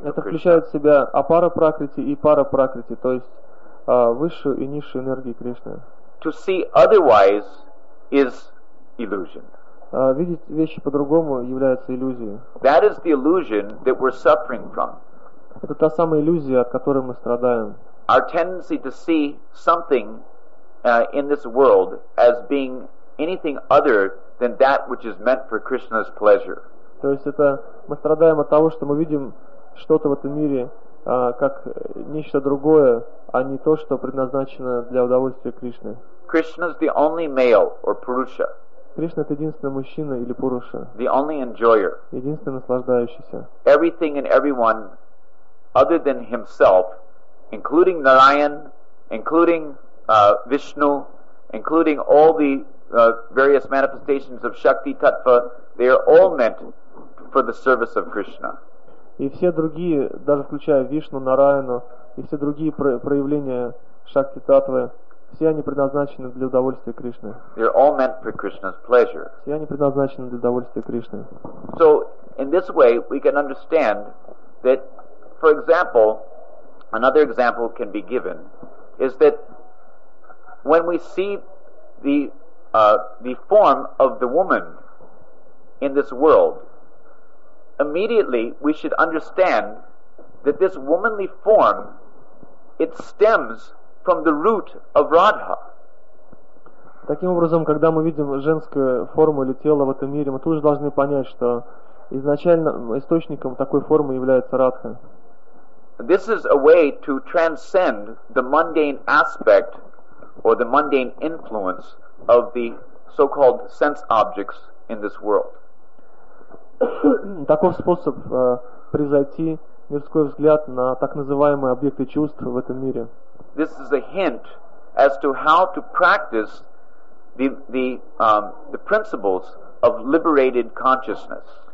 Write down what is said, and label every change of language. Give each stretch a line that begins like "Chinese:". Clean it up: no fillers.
Russian: Это включает в себя апара пракрити и пара пракрити, то есть высшую и низшую энергию Кришны.
English: To see otherwise is illusion.
Russian: Видеть вещи по-другому является иллюзией.
English: That is the illusion that we're suffering from.
Russian: Это та самая иллюзия, от которой мы страдаем.
English: our tendency to see something in this world as being anything other than that which is meant for Krishna's pleasure.
Russian: То есть это мы страдаем от того, что мы видим что-то в этом мире как нечто другое, а не то, что предназначено для удовольствия Кришны.
English: Krishna is the only male or purusha.
Russian: Кришна это единственный мужчина или пуруша.
English: The only enjoyer.
Russian: Единственный наслаждающийся.
English: Everything and everyone other than himself, including Narayan, including Vishnu, including all the various manifestations of Shakti Tattva, they are all meant for the service of Krishna.
Russian: И все другие, даже включая Вишну, Нараяну, и все другие проявления Шакти Таттвы, все они предназначены для удовольствия Кришны.
English: They're all meant for Krishna's pleasure.
Russian: Все они предназначены для удовольствия Кришны.
English: So, in this way, we can understand that, for example, another example can be given, is that when we see the form of the woman in this world, immediately we should understand that this womanly form, it stems from the root of Radha.
Russian: Таким образом, когда мы видим женскую форму или тело в этом мире, мы тут же должны понять, что изначально источником такой формы является Радха.
English: This is a way to transcend the mundane aspect or the mundane influence of the so-called sense objects in this world.
Russian: Таков способ превзойти мирской взгляд на так называемые объекты чувств в этом мире.
English: This is a hint as to how to practice the principles of liberated consciousness.